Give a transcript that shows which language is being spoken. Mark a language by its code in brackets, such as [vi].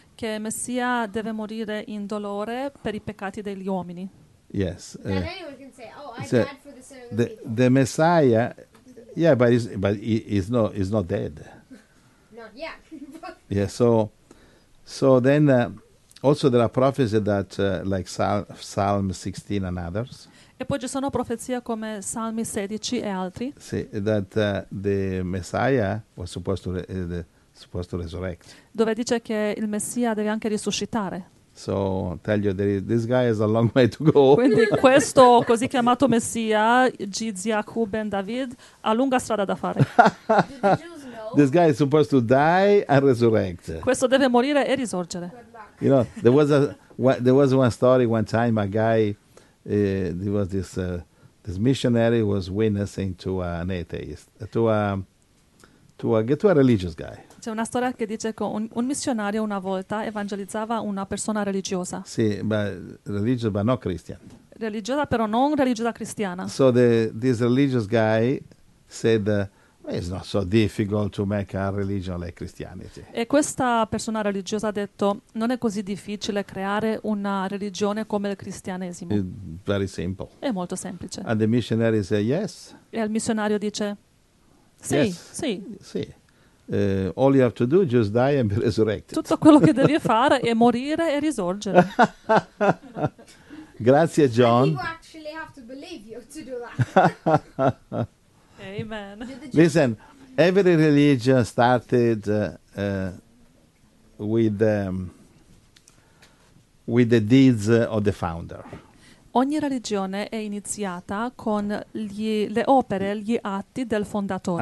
[it] Che Messia deve morire in dolore per i peccati degli uomini. [en] Yes. Anyone can say, oh, I died for the sin of the people. The Messiah, yeah, but he's not dead. Not yet. Yeah, so then also there are prophecies that like Psalm 16 and others. [it] E poi ci sono profezie come Salmi 16 e altri. Sì, [en] that the Messiah was supposed to resurrect. [it] Dove dice che il Messia deve anche risuscitare. [en] So tell you this guy has a long way to go. [it] Quindi questo così chiamato Messia, Gizyaku ben David, ha lunga strada da fare. [en] This guy is supposed to die and resurrect. [it] Questo deve morire e risorgere. [en] You know, there was one story one time a guy, there was this missionary was witnessing to an atheist, to a religious guy. [it] C'è una storia che dice che un missionario una volta evangelizzava una persona religiosa. Sì, ma [en] religious but not Christian. [it] Religiosa però non religiosa cristiana. [en] So this religious guy said. It's not so difficult to make a religion like Christianity. [it] E questa persona religiosa ha detto, non è così difficile creare una religione come il cristianesimo. [en] It's very simple. [it] È molto semplice. [en] And the missionary says yes. [it] E il missionario dice, sì, [en] yes. [it] Sì. [en] All you have to do is just die and be resurrected. [it] Tutto quello che devi fare è morire e risorgere. Grazie, John. [en] And you actually have to believe you to do that. Amen. Listen, every religion started with the deeds of the founder. [it] Ogni religione è iniziata con le opere, gli atti del fondatore.